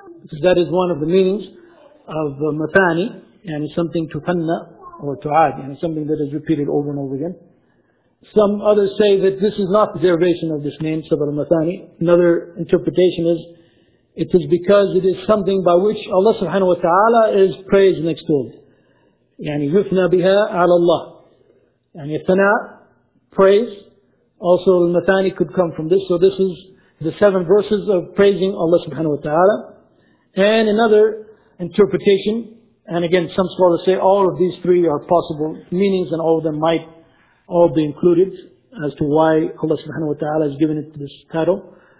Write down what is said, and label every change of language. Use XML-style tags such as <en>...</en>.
<en>Because that is one of the meanings of al-Mathani, and something tufanna, or tu'ad, and something that is repeated over and over again. Some others say that this is not the derivation of this name, Sab' al-Mathani. Another interpretation is, it is because it is something by which Allah subhanahu wa ta'ala is praised and extolled.</en> <ar>يعني يثنى بها على الله. يعني الثناء, praise.</ar> <en>Also al-Mathani could come from this. So this is the seven verses of praising Allah subhanahu wa ta'ala. And another interpretation, and again some scholars say all of these three are possible meanings and all of them might all be included as to why Allah subhanahu wa ta'ala has given it this title.</en>